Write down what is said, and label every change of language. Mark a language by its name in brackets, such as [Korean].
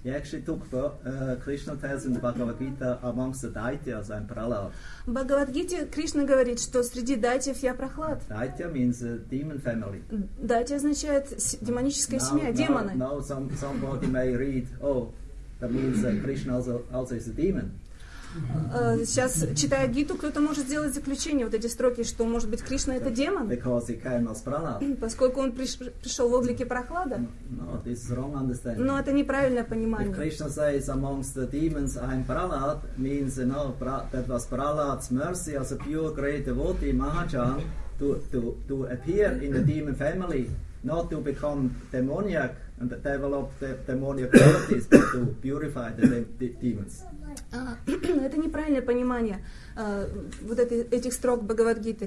[English] He actually took Krishna tells in the Bhagavad Gita amongst the daityas I'm Prahlad. [Russian] В Бхагавад Гите Кришна говорит, что среди дайтев я Прохлад. [English] Дайтя means demon family. [Russian] Дайтя означает демоническая семья, демоны. [English] Now somebody may read, that means Krishna also is a demon. [Russian] Сейчас, читая Гиту, кто-то может сделать заключение, вот эти строки, что, может быть, Кришна — это демон? [English] Because he came as Prahlad. [Russian] Поскольку он пришел в облике Прохлада. [English] No, this is wrong understanding. [Russian] Но это неправильное понимание. [English] If Krishna says amongst the demons, I'm Prahlad, means, you know, that was Prahlad's mercy as a pure great devotee, Mahajan, to appear in the demon family, not to become demoniac and develop the demonic qualities, but to purify the demons. [Russian] Это неправильное понимание вот этих строк Бхагавад-гиты.